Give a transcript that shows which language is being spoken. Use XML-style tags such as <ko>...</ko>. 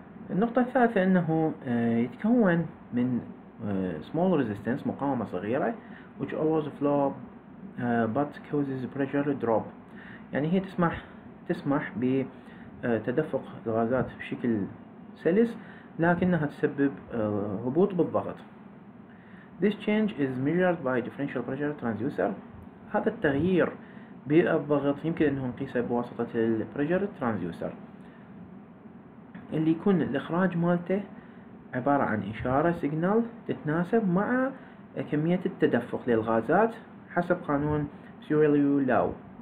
<ar>النقطة الثالثة أنه يتكون من small resistance مقاومة صغيرة</ar> <en>which always flow but causes pressure drop،</en> <ar>يعني هي تسمح بتدفق الغازات بشكل سلس لكنها تسبب هبوط بالضغط.</ar> <en>This change is measured by differential pressure transducer.</en> <ar>هذا التغيير بالضغط يمكن أنه نقيسه بواسطة الـ pressure transducer اللي يكون الإخراج مالته عبارة عن إشارة سيجنال تتناسب مع كمية التدفق للغازات حسب قانون سيريليو لاو.</ar>